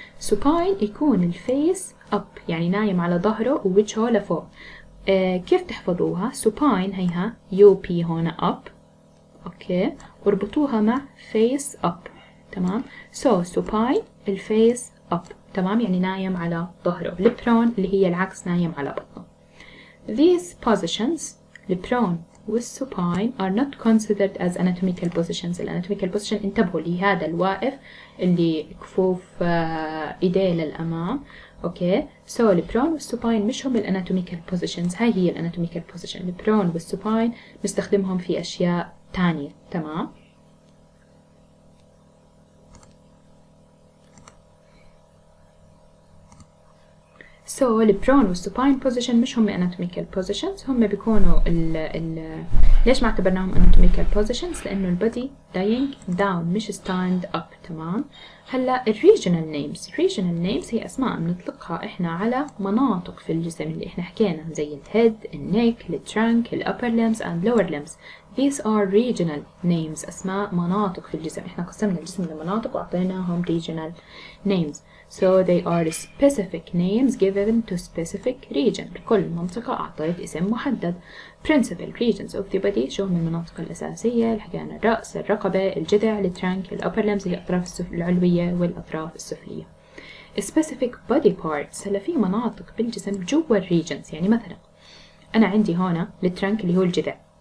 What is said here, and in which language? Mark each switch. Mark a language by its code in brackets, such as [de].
[ar] سوباين يكون الفيس اب، يعني نايم على ظهره ووجهه لفوق. كيف تحفظوها؟ سوباين هيها يو بي هون اب، اوكي، وربطوها مع فيس اب، تمام. سو سوباين الفيس اب، تمام، يعني نايم على ظهره. البرون اللي هي العكس، نايم على بطنه. [en] These positions, the prone with supine, are not considered as anatomical positions. The anatomical position, [ar] انتبهوا لي، هذا الواقف اللي كفوف ايديه للأمام. [en] Okay, so the prone with supine [ar] مش هم الاناتوميكال [en] positions. [ar] هاي هي الاناتوميكال position. [en] The prone with supine [ar] نستخدمهم في أشياء تانية، تمام؟ [en] So the prone and supine position [ar] مش هم anatomical positions، هم بيكونوا ال ليش ما اعتبرناهم anatomical positions؟ لأنه البدي [en] lying down [ar] مش [en] stand up، [ar] تمام. [en] هلا regional names. [ar] regional names هي أسماء بنطلقها إحنا على مناطق في الجسم اللي إحنا حكينا، زي [en] the head, the neck, the trunk, the upper limbs and lower limbs. These are regional names، [ar] أسماء مناطق في الجسم. إحنا قسمنا الجسم لمناطق وعطيناهم regional names. [en] So they are specific names given to specific region. [ar] كل منطقة أعطيت اسم محدد. [en] Principal regions of the body، [ar] شو هم المناطق الأساسية؟ حكينا الرأس، الرقبة، الجذع، the trunk، [en] the upper limbs، [ar] الأطراف العلوية والأطراف السفلية. [en] Specific body parts، [ar] هلا في مناطق بالجسم جوا regions، يعني مثلا أنا عندي هنا the trunk اللي هو الجذع.